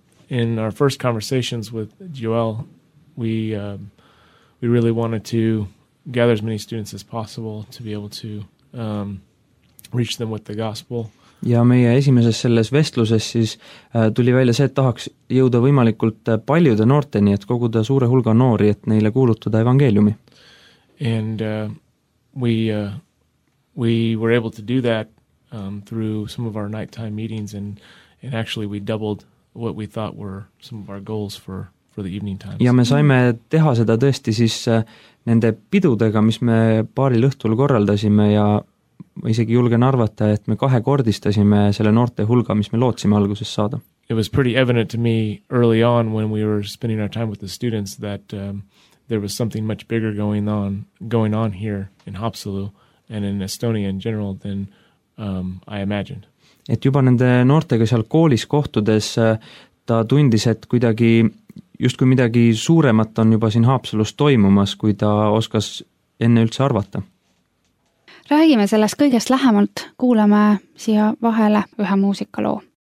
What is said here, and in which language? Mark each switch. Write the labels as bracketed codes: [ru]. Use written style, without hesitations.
[en] In our first conversations with Joel, we really wanted to gather as many students as possible to be able to reach them with the gospel. [et] Ja meie esimeses selles vestluses siis tuli välja see, et tahaks jõuda võimalikult paljude noorteni, et koguda suure hulga noori, et neile kuulutada evangeeliumi. [en] And we were able to do that through some of our nighttime meetings and actually we doubled what we thought were some of our goals for the evening times. [et] Ja me saime teha seda tõesti siis nende pidudega, mis me paaril õhtul korraldasime ja ma isegi julgen arvata, et me kahekordistasime selle noorte hulga, mis me lootsime alguses saada. [en] it was pretty evident to me early on when we were spending our time with the students that there was something much bigger going on here in Haapsalu and in Estonia in general than I imagined. [et] Et juba nende noortega seal koolis kohtudes ta tundis, et kuidagi just kui midagi suuremat on juba siin Haapsalus toimumas, kui ta oskas enne üldse arvata. Räägime sellest kõigest lähemalt, kuulame siia vahele ühe muusikaloo.